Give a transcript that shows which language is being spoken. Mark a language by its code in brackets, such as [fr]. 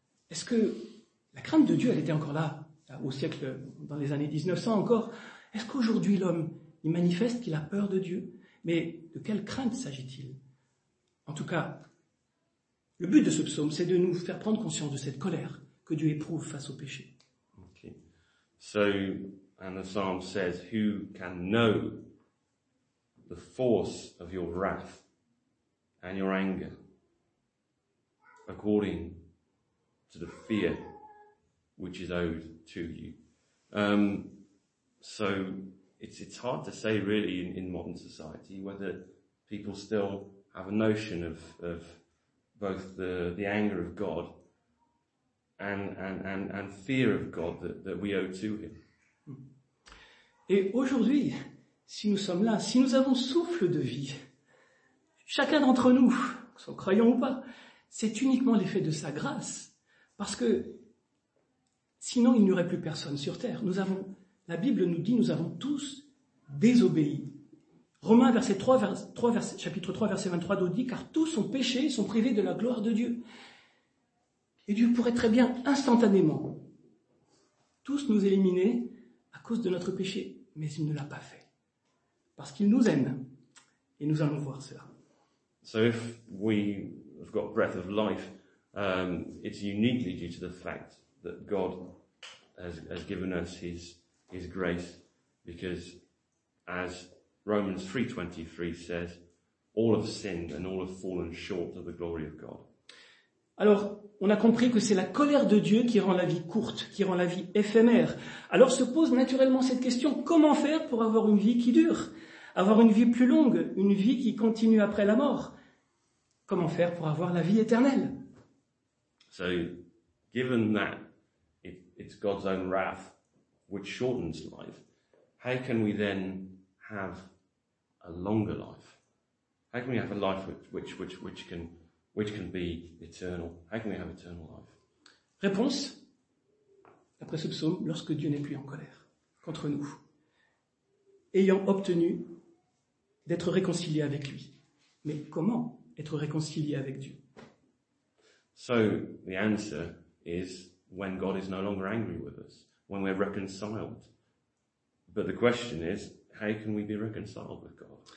[fr] Est-ce que la crainte de Dieu, elle était encore là, au siècle, dans les années 1900 encore? Est-ce qu'aujourd'hui l'homme, il manifeste qu'il a peur de Dieu? Mais de quelle crainte s'agit-il? En tout cas, le but de ce psaume, c'est de nous faire prendre conscience de cette colère que Dieu éprouve face au péché. [en] Okay. So, and the psalm says, who can know the force of your wrath and your anger according to the fear which is owed to you? So it's hard to say really in modern society whether people still have a notion of both the anger of God and fear of God that we owe to him. [fr] Et aujourd'hui, si nous sommes là, si nous avons souffle de vie, chacun d'entre nous, que ce soit croyant ou pas, c'est uniquement l'effet de sa grâce, parce que sinon il n'y aurait plus personne sur terre. La Bible nous dit, nous avons tous désobéi. Romains chapitre 3, verset 23 nous dit, car tous ont péché, sont privés de la gloire de Dieu. Et Dieu pourrait très bien instantanément tous nous éliminer à cause de notre péché, mais il ne l'a pas fait. Parce qu'il nous aime. Et nous allons voir cela. [en] So if we have got breath of life, it's uniquely due to the fact that God has given us his grace, because as Romans 3:23 says, all have sinned and all have fallen short of the glory of God. [fr] Alors, on a compris que c'est la colère de Dieu qui rend la vie courte, qui rend la vie éphémère. Alors se pose naturellement cette question, comment faire pour avoir une vie qui dure, avoir une vie plus longue, une vie qui continue après la mort? Comment faire pour avoir la vie éternelle? [en] So, given that it's God's own wrath which shortens life, how can we then have a longer life? How can we have a life which can be eternal? How can we have eternal life? [fr] Réponse, d'après ce psaume, lorsque Dieu n'est plus en colère contre nous, ayant obtenu d'être réconcilié avec lui. Mais comment être réconcilié avec Dieu? [en] So the answer is when God is no longer angry with us, when we're reconciled. But the question is, how can we be reconciled with God?